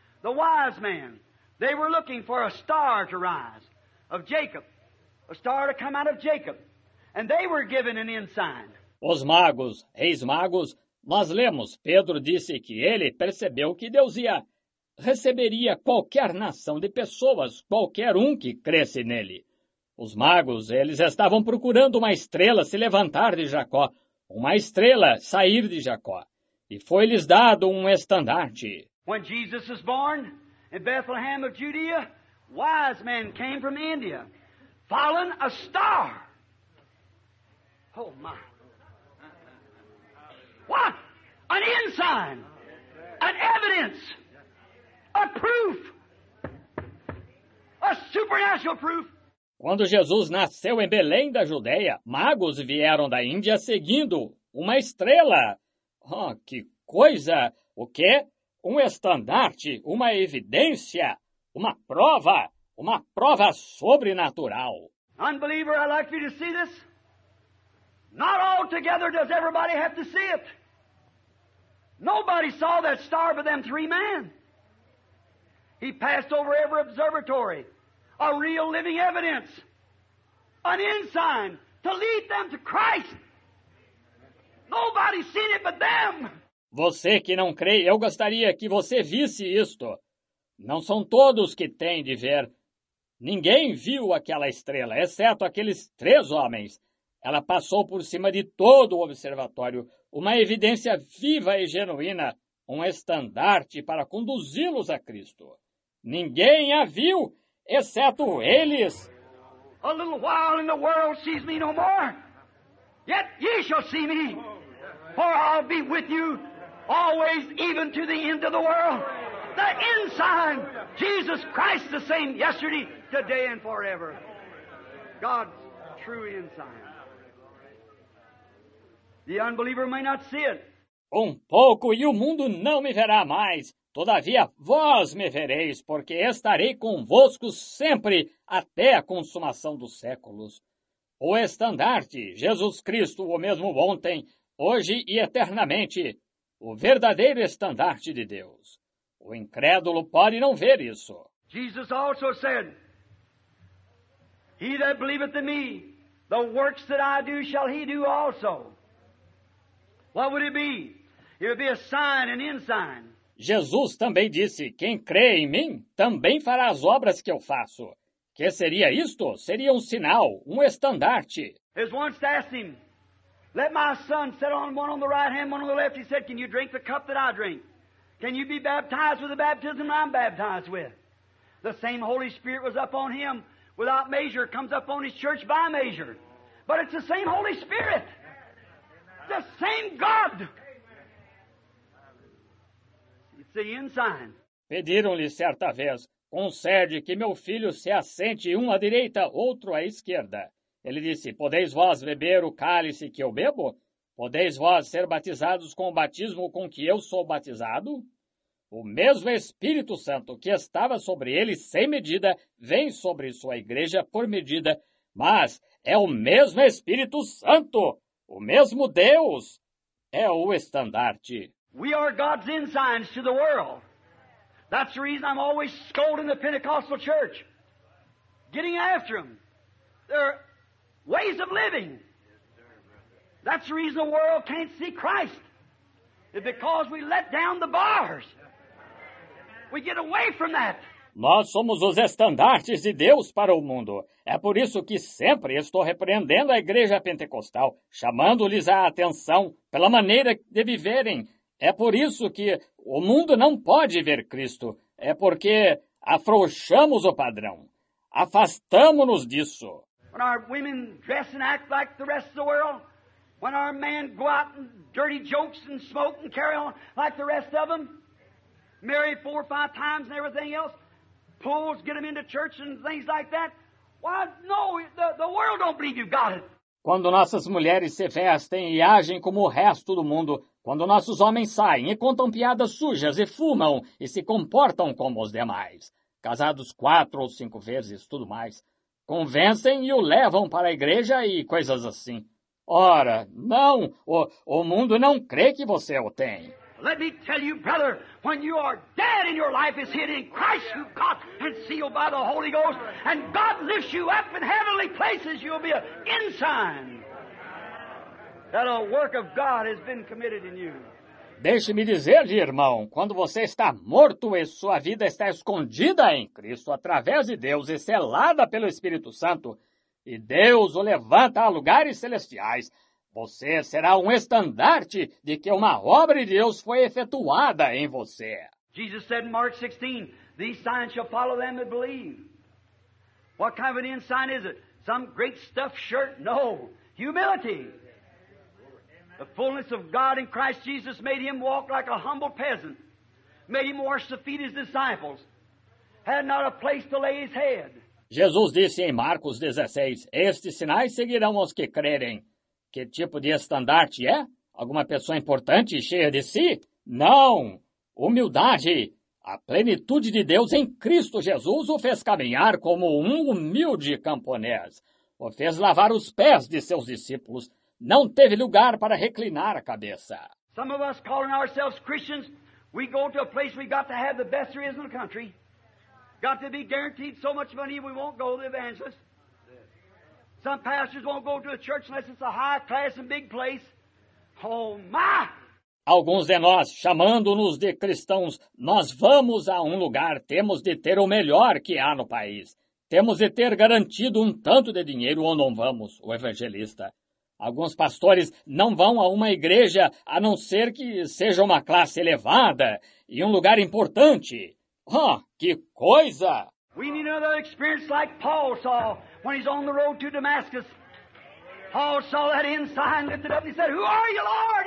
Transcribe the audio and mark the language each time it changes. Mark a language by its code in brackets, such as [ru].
[en] The wise man, they were looking for a star to rise of Jacob, a star to come out of Jacob, and they were given an ensign. [pt] Os magos, reis magos, nós lemos, Pedro disse que ele percebeu que Deus ia receberia qualquer nação de pessoas, qualquer um que cresce nele. Os magos, eles estavam procurando uma estrela se levantar de Jacó, uma estrela sair de Jacó. E foi-lhes dado um estandarte. [en] When Jesus was born in Bethlehem of Judea, wise men came from India, following a star. Oh my. What? An ensign. An evidence. A proof. A supernatural proof. [pt] Quando Jesus nasceu em Belém da Judeia, magos vieram da Índia seguindo uma estrela. Oh, que coisa! O quê? Um estandarte, uma evidência, uma prova sobrenatural. [en] Unbeliever, I'd like for you to see this. Not altogether does everybody have to see it. Nobody saw that star but them three men. He passed over every observatory. A real living evidence. An ensign to lead them to Christ. Nobody seen it but them. [pt] Você que não crê, eu gostaria que você visse isto. Não são todos que têm de ver. Ninguém viu aquela estrela, exceto aqueles três homens. Ela passou por cima de todo o observatório. Uma evidência viva e genuína. Um estandarte para conduzi-los a Cristo. Ninguém a viu, exceto eles. [en] A little while and the world sees me no more. Yet ye shall see me. For I'll be with you always, even to the end of the world. The ensign, Jesus Christ, the same yesterday, today, and forever. God's true ensign. The unbeliever may not see it. [pt] Um pouco e o mundo não me verá mais. Todavia, vós me vereis, porque estarei convosco sempre até a consumação dos séculos. O estandarte, Jesus Cristo, o mesmo ontem, hoje e eternamente, o verdadeiro estandarte de Deus. O incrédulo pode não ver isso. [en] Jesus also said, he that believeth in me, the works that I do shall he do also. What would it be? It would be a sign, an ensign. [pt] Jesus também disse, quem crê em mim, também fará as obras que eu faço. Que seria isto? Seria um sinal, um estandarte. [en] As once asked him, let my son sit on one on the right hand, one on the left. He said, can you drink the cup that I drink? Can you be baptized with the baptism I'm baptized with? The same Holy Spirit was up on him without measure, comes up on his church by measure. But it's the same Holy Spirit. The same God. It's the ensign. [pt] Pediram-lhe certa vez, concede que meu filho se assente um à direita, outro à esquerda. Ele disse, podeis vós beber o cálice que eu bebo? Podeis vós ser batizados com o batismo com que eu sou batizado? O mesmo Espírito Santo que estava sobre ele sem medida, vem sobre sua igreja por medida, mas é o mesmo Espírito Santo, o mesmo Deus, é o estandarte. [en] We are God's ensigns to the world. That's the reason I'm always scolding the Pentecostal church. Getting after them. They're ways of living. That's the reason the world can't see Christ. It's because we let down the bars. We get away from that. [pt] Nós somos os estandartes de Deus para o mundo. É por isso que sempre estou repreendendo a igreja pentecostal, chamando-lhes a atenção pela maneira de viverem. É por isso que o mundo não pode ver Cristo. É porque afrouxamos o padrão. Afastamos-nos disso. [en] When our women dress and act like the rest of the world, when our men go out and dirty jokes and smoke and carry on like the rest of them, marry four or five times and everything else, pulls, get them into church and things like that, why, no, the world don't believe you've got it. [pt] Quando nossas mulheres se vestem e agem como o resto do mundo, quando nossos homens saem e contam piadas sujas e fumam e se comportam como os demais, casados 4 ou 5 vezes, tudo mais. Convencem e o levam para a igreja e coisas assim. Ora, não, o mundo não crê que você o tem. [en] Let me tell you, brother, when you are dead and your life is hid in Christ, you've got and sealed by the Holy Ghost, and God lifts you up in heavenly places, you'll be an ensign. That a work of God has been committed in you. [pt] Deixe-me dizer-lhe, irmão, quando você está morto e sua vida está escondida em Cristo através de Deus e selada pelo Espírito Santo, e Deus o levanta a lugares celestiais, você será um estandarte de que uma obra de Deus foi efetuada em você. Jesus disse em [en] Mark 16, "These signs shall follow them that believe." What kind of an ensign is it? Some great stuff shirt? No, humility. The fullness of God in Christ Jesus made him walk like a humble peasant, made him wash the feet of his disciples, had not a place to lay his head. [pt] Jesus disse em Marcos 16, estes sinais seguirão aos que crerem. Que tipo de estandarte é? Alguma pessoa importante e cheia de si? Não! Humildade! A plenitude de Deus em Cristo Jesus o fez caminhar como um humilde camponês. O fez lavar os pés de seus discípulos. Não teve lugar para reclinar a cabeça. [en] Some of us calling ourselves Christians, we go to a place we got to have the best there is in the country. Got to be guaranteed so much money we won't go to the evangelist. Some pastors won't go to a church unless it's a high class and big place. Oh my! [pt] Alguns de nós, chamando-nos de cristãos, nós vamos a um lugar, temos de ter o melhor que há no país. Temos de ter garantido um tanto de dinheiro ou não vamos, o evangelista. Alguns pastores não vão a uma igreja a não ser que seja uma classe elevada e um lugar importante. Oh, que coisa! [en] We need another experience like Paul saw when he's on the road to Damascus. Paul saw that ensign lifted up and he said, "Who are you, Lord?"